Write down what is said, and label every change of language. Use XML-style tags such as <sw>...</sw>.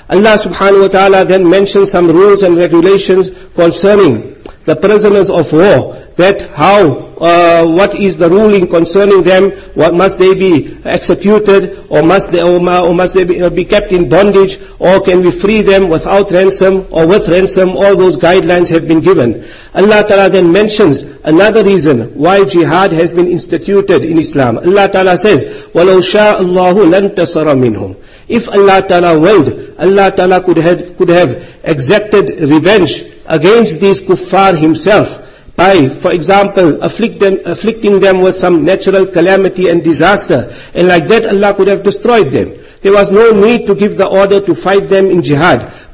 <en>Allah subhanahu wa ta'ala then mentions some rules and regulations concerning the prisoners of war, that how, what is the ruling concerning them, what must they be executed, or must they be kept in bondage, or can we free them without ransom, or with ransom. All those guidelines have been given. Allah Ta'ala then mentions another reason why jihad has been instituted in Islam. Allah Ta'ala says,</en> <ar>وَلَوْ شَاءَ اللَّهُ لَنْ تَصَرَ مِنْهُمْ.</ar> <en>If Allah Ta'ala willed, Allah Ta'ala could have exacted revenge against these kuffar himself by, for example, afflicting them with some natural calamity and disaster, and like that Allah could have destroyed them. There was no need to give the order to fight them in jihad.</en>